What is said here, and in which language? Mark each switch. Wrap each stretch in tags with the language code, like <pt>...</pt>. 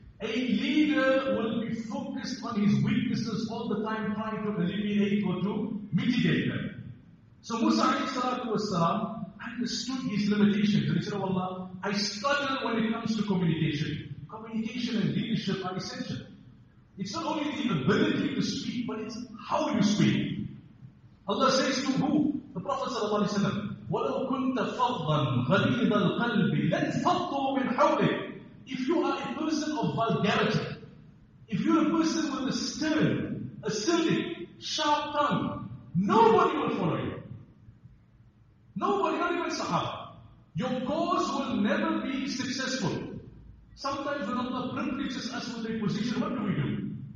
<en>A leader will be focused on his weaknesses all the time, trying to eliminate or to mitigate them. So Musa alayhi salam understood his limitations. And he said, oh Allah, I struggle when it comes to communication. Communication and leadership are essential. It's not only the ability to speak, but it's how you speak. Allah says to who? The Prophet sallallahu alaihi wasallam,</en> <ar>وَلَوْ كُنْتَ فَضًّا غَلِيظَ الْقَلْبِ لَنْ فَضُّوا مِنْ حَوْلِكَ.</ar> <en>If you are a person of vulgarity, if you're a person with a stern, acidic, sharp tongue, nobody will follow you. Nobody, not even Sahaba. Your cause will never be successful. Sometimes when Allah privileges us with a position, what do?</en>